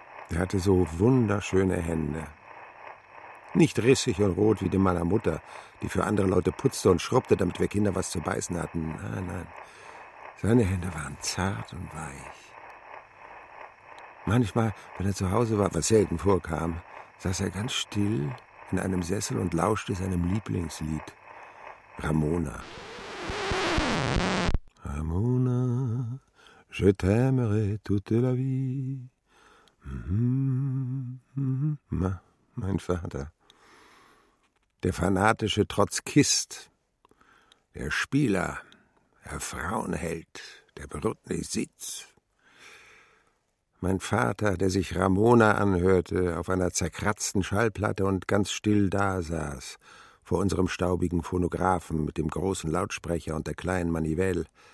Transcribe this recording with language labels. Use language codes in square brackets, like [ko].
[de] Er hatte so wunderschöne Hände, nicht rissig und rot wie die meiner Mutter, die für andere Leute putzte und schrubbte, damit wir Kinder was zu beißen hatten, nein, nein. Seine Hände waren zart und weich. Manchmal, wenn er zu Hause war, was selten vorkam, saß er ganz still in einem Sessel und lauschte seinem Lieblingslied, Ramona. [fr] Ramona, je t'aimerai toute la vie. [de] Mein Vater, der fanatische Trotzkist, der Spieler, der Frauenheld, der berühmte Sitz. Mein Vater, der sich Ramona anhörte, auf einer zerkratzten Schallplatte und ganz still dasaß, vor unserem staubigen Phonographen mit dem großen Lautsprecher und der kleinen Manivelle.